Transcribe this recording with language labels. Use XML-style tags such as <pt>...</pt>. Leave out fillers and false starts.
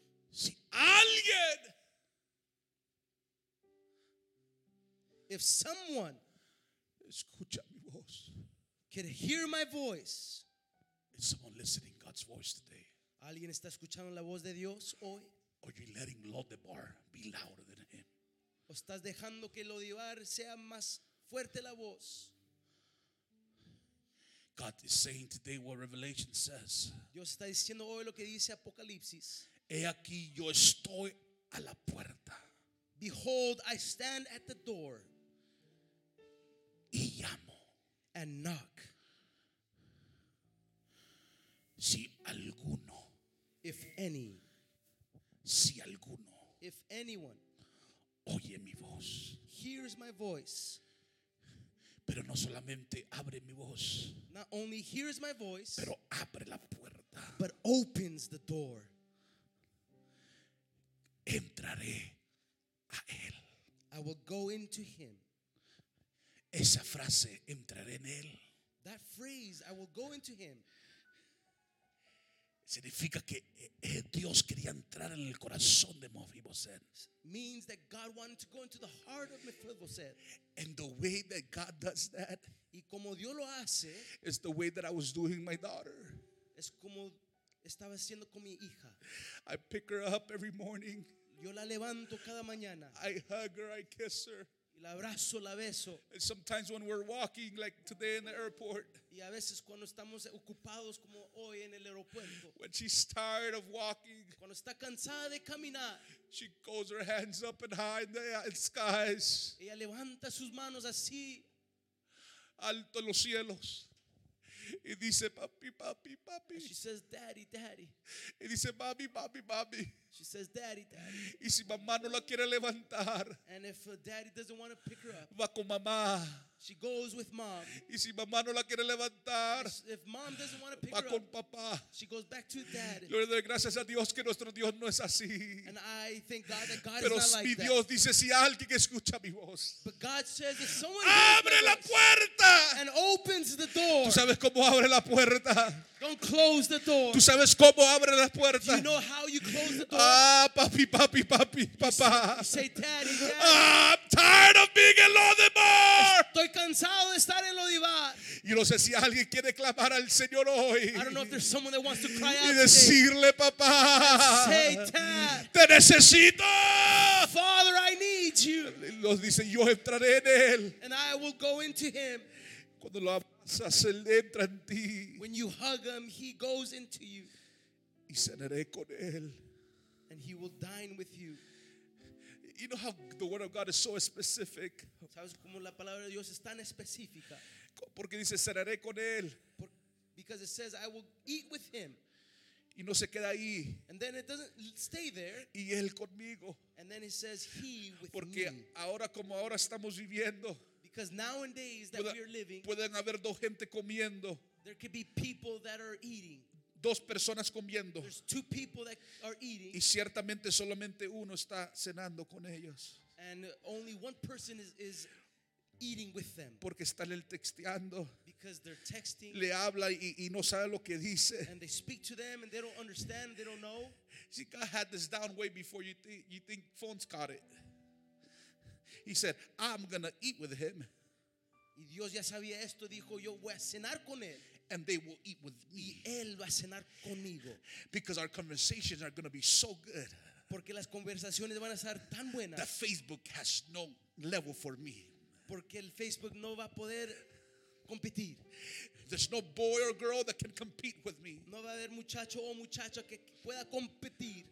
<es>Si alguien,</es> <en>if someone,</en> <es>escucha mi voz,</es> <en>can hear my voice, is someone listening God's voice today?</en> <es>Alguien está escuchando la voz de Dios hoy?</es> <en>Are you letting Lodebar be louder than him?</en> <es>O estás dejando que Lodebar sea más fuerte la voz?</es> <en>God is saying today what Revelation says.</en> <es>Dios está diciendo hoy lo que dice Apocalipsis. He aquí, yo estoy a la puerta.</es> <en>Behold, I stand at the door.</en> <es>Y llamo.</es> <en>And knock.</en> <es>Si alguno.</es> <en>If any.</en> <es>Si alguno.</es> <en>If anyone.</en> <es>Oye mi voz.</es> <en>Hears my voice.</en> <es>Pero no solamente abre mi voz.</es> <en>Not only hears my voice.</en> <es>Pero abre la puerta.</es> <en>But opens the door.</en> <es>Entraré a él.</es> <en>I will go into him.</en> <es>Esa frase, entraré en él.</es> <en>That phrase, I will go into him.</en> <es>Significa que Dios quería entrar en el corazón de Mephibosheth.</es> <en>Means that God wanted to go into the heart of Mephibosheth. And the way that God does that,</en> <es>y como Dios lo hace,</es> <en>is the way that I was doing my daughter.</en> <es>Es como estaba haciendo con mi hija.</es> <en>I pick her up every morning.</en> <es>Yo la levanto cada mañana.</es> <en>I hug her, I kiss her.</en> <es>Y la abrazo, la beso.</es> <en>And sometimes when we're walking, like today in the airport.</en> <es>Y a veces cuando estamos ocupados como hoy en el aeropuerto.</es> <en>When she's tired of walking.</en> <es>Cuando está cansada de caminar.</es> <en>She goes her hands up and high in the skies.</en> <es>Ella levanta sus manos así. Alto en los cielos. Y dice papi, papi, papi.</es> <en>She says daddy, daddy.</en> <es>Y dice mami, mami, mami.</es> <en>She says daddy, daddy.</en> <es>Y si mamá no la quiere levantar.</es> <en>And if daddy doesn't want to pick her up.</en> <es>Va con mamá.</es> <en>She goes with mom.</en> <es>Y si mamá no la quiere levantar.</es> <en>If mom doesn't want to pick up.</en> <es>Va con papá.</es> <en>She goes back to daddy.</en> <es>Yo le doy gracias a Dios que nuestro Dios no es así.</es> <en>And I thank God that God</en> <es>pero</es> <en>is not like that.</en> <es>Pero mi Dios dice si alguien que escucha mi voz.</es> <en>But God says if someone</en> <es>abre la puerta.</es> <en>And opens the door.</en> <es>Tú sabes cómo abre la puerta.</es> <en>Don't close the door.</en> <es>Tú sabes cómo abre la puerta.</es> <en>Do you know how you close the door?</en> <es>Ah, papi, papi, papi, papá.</es> <en>You say daddy, daddy. Ah, I'm tired of being in Lodebar.</en> <es>Estoy cansado. cansado de estar en Lodibar. Y no sé si alguien quiere clamar al Señor hoy.</es> <en>I don't know if there's someone that wants to cry out.</en> <es>Y decirle,</es> <en>today,</en> <es>papá,</es> <en>say, Dad,</en> <es>te necesito.</es> <en>Father, I need you.</en> <es>Los dice, yo entraré en él.</es> <en>And I will go into him.</en> <es>Cuando lo abrazas, él entra en ti.</es> <en>When you hug him, he goes into you.</en> <es>Y cenaré con él.</es> <en>And he will dine with you. You know how the word of God is so specific.</en> <es>¿Sabes cómo la palabra de Dios es tan específica? Porque dice cenaré con él.</es> <en>Because it says I will eat with him.</en> <es>Y no se queda ahí.</es> <en>And then it doesn't stay there.</en> <es>Y él conmigo.</es> <en>And then it says he with</en> <es>Porque Porque ahora como ahora estamos viviendo.</es> <en>Because nowadays that we are living.</en> <es>Pueden haber dos gente comiendo.</es> <en>There could be people that are eating.</en> <es>Dos personas comiendo.</es> <en>There's two people that are eating.</en> <es>Y ciertamente solamente uno está cenando con ellos.</es> <en>And only one person is eating with them.</en> <es>Porque está él texteando.</es> <en>Because they're texting.</en> <es>Le habla y no sabe lo que dice.</es> <en>And they speak to them and they don't understand, they don't know. See, God had this down way before you think phones caught it. He said, I'm going to eat with him.</en> <es>Y Dios ya sabía esto, dijo, yo voy a cenar con él.</es> <en>And they will eat with me.</en> <es>Y él va a cenar conmigo.</es> <en>Because our conversations are going to be so good.</en> <es>Porque las conversaciones van a ser tan buenas.</es> <en>That Facebook has no level for me.</en> <es>Porque el Facebook no va a poder competir.</es> <en>There's no boy or girl that can compete with me.</en> <es>No va a haber muchacho o muchacha que pueda competir.</es>